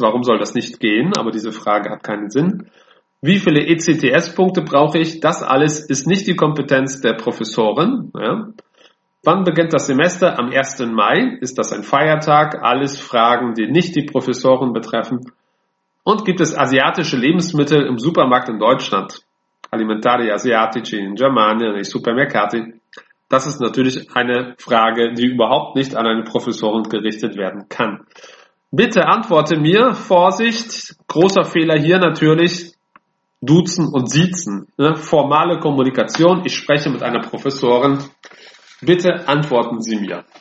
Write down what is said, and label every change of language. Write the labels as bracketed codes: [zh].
[de] Warum soll das nicht gehen? Aber diese Frage hat keinen Sinn. Wie viele ECTS-Punkte brauche ich? Das alles ist nicht die Kompetenz der Professorin. Ja. Wann beginnt das Semester? Am 1. Mai. Ist das ein Feiertag? Alles Fragen, die nicht die Professorin betreffen. Und gibt es asiatische Lebensmittel im Supermarkt in Deutschland? [it] Alimentari asiatici in Germania, nei supermercati. [de] Das ist natürlich eine Frage, die überhaupt nicht an eine Professorin gerichtet werden kann. Bitte antworte mir. Vorsicht, großer Fehler hier natürlich. Duzen und Siezen. Ne? Formale Kommunikation. Ich spreche mit einer Professorin. Bitte antworten Sie mir.